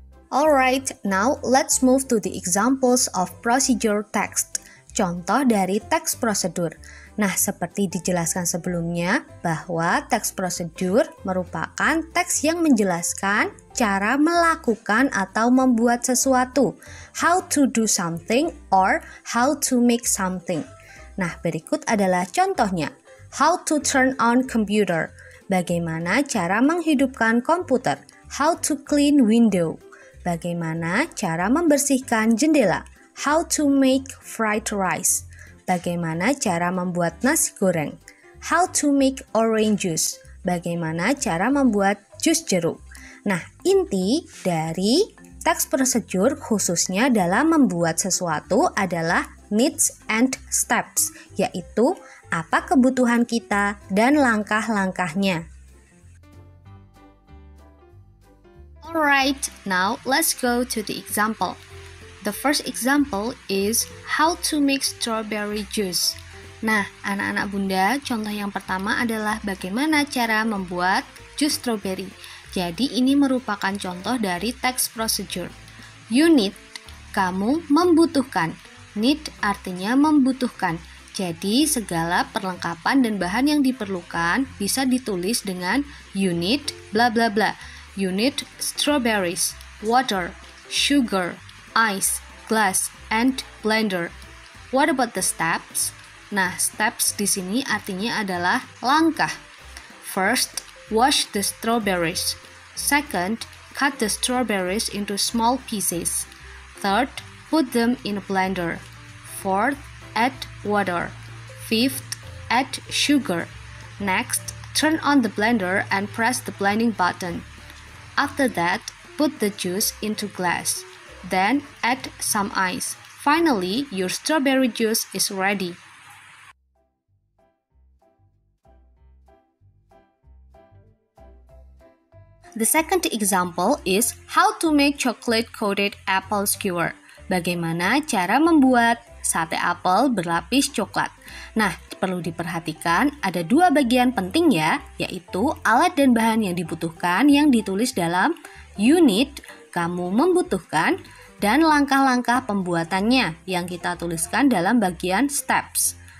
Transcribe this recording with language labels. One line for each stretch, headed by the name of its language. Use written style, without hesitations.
English: Alright, now let's move to the examples of procedure text.
Indonesian: Contoh dari teks prosedur. Nah, seperti dijelaskan sebelumnya, bahwa teks prosedur merupakan teks yang menjelaskan cara melakukan atau membuat sesuatu.
English: How to do something or how to make something.
Indonesian: Nah, berikut adalah contohnya.
English: How to turn on computer.
Indonesian: Bagaimana cara menghidupkan komputer?
English: How to clean window?
Indonesian: Bagaimana cara membersihkan jendela?
English: How to make fried rice?
Indonesian: Bagaimana cara membuat nasi goreng?
English: How to make orange juice?
Indonesian: Bagaimana cara membuat jus jeruk? Nah, inti dari teks prosedur khususnya dalam membuat sesuatu adalah
English: needs and steps,
Indonesian: yaitu apa kebutuhan kita dan langkah-langkahnya.
English: Alright, now let's go to the example. The first example is how to make strawberry juice.
Indonesian: Nah, anak-anak bunda, contoh yang pertama adalah bagaimana cara membuat jus strawberry. Jadi ini merupakan contoh dari teks prosedur.
English: You need,
Indonesian: kamu membutuhkan. Need artinya membutuhkan. Jadi, segala perlengkapan dan bahan yang diperlukan bisa ditulis dengan
English: you need
Indonesian: bla bla bla.
English: You need strawberries, water, sugar, ice, glass, and blender. What about the steps?
Indonesian: Nah, steps di sini artinya adalah langkah.
English: First, wash the strawberries. Second, cut the strawberries into small pieces. Third, put them in a blender. Fourth, add water. Fifth, add sugar. Next, turn on the blender and press the blending button. After that, put the juice into glass. Then, add some ice. Finally, your strawberry juice is ready. The second example is how to make chocolate-coated apple skewer.
Indonesian: Bagaimana cara membuat sate apel berlapis coklat. Nah, perlu diperhatikan ada dua bagian penting ya, yaitu alat dan bahan yang dibutuhkan yang ditulis dalam
English: you need,
Indonesian: kamu membutuhkan, dan langkah-langkah pembuatannya yang kita tuliskan dalam bagian steps.